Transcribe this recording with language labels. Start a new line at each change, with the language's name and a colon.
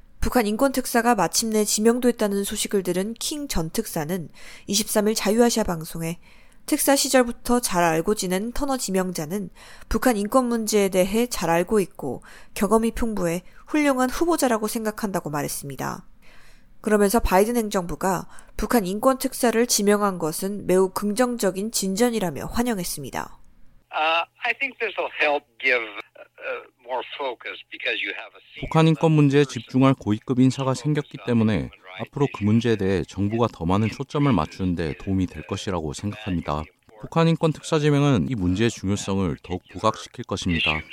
Korean: 북한 인권특사가 마침내 지명됐다는 소식을 들은 킹 전 특사는 23일 자유아시아 방송에 특사 시절부터 잘 알고 지낸 터너 지명자는 북한 인권 문제에 대해 잘 알고 있고 경험이 풍부해 훌륭한 후보자라고 생각한다고 말했습니다. 그러면서 바이든 행정부가 북한 인권 특사를 지명한 것은 매우 긍정적인 진전이라며 환영했습니다.
English: I think this will help give more focus because you have a
Korean: 북한 인권 문제에 집중할 고위급 인사가 생겼기 때문에 앞으로 그 문제에 대해 정부가 더 많은 초점을 맞추는 데 도움이 될 것이라고 생각합니다. 북한 인권 특사 지명은 이 문제의 중요성을 더욱 부각시킬 것입니다.